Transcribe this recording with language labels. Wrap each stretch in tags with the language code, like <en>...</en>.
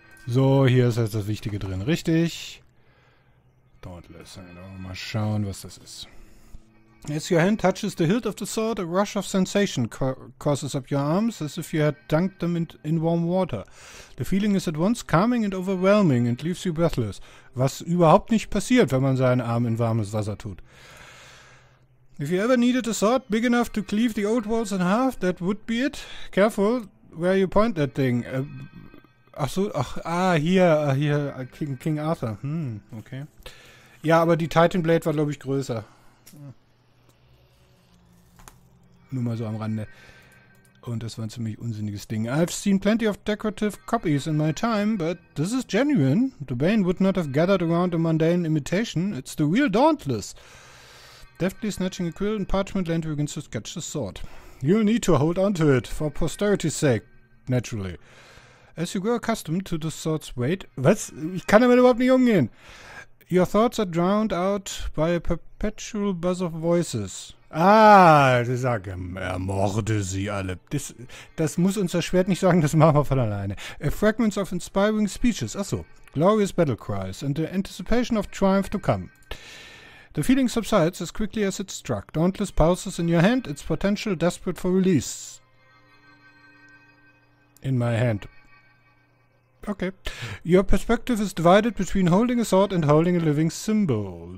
<de>So, hier ist jetzt das Wichtige drin, richtig? Dauntless, mal schauen, was das ist.</de> <en>As your hand touches the hilt of the sword, a rush of sensation courses up your arms, as if you had dunked them in warm water. The feeling is at once calming and overwhelming and leaves you breathless.</en> <de>Was überhaupt nicht passiert, wenn man seinen Arm in warmes Wasser tut.</de> <en>If you ever needed a sword big enough to cleave the old walls in half, that would be it. Careful where you point that thing. Hier, King Arthur. Okay.</en> <de>Ja, aber die Titan Blade war, glaube ich, größer. Nur mal so am Rande. Und das war ein ziemlich unsinniges Ding.</de> <en>I've seen plenty of decorative copies in my time, but this is genuine. The Bane would not have gathered around a mundane imitation. It's the real Dauntless. Deftly snatching a quill and parchment land begins to sketch the sword. You'll need to hold on to it, for posterity's sake, naturally. As you grow accustomed to the sword's weight...</en> <de>Was? Ich kann damit überhaupt nicht umgehen.</de> <en>Your thoughts are drowned out by a perpetual buzz of voices.</en> <de>Sie sagen, ermorde sie alle. Das muss unser Schwert nicht sagen, das machen wir von alleine.</de> <en>Fragments of inspiring speeches. Achso. Glorious battle cries and the anticipation of triumph to come. The feeling subsides as quickly as it struck. Dauntless pulses in your hand, its potential desperate for release. In my hand. Okay. Your perspective is divided between holding a sword and holding a living symbol.</en>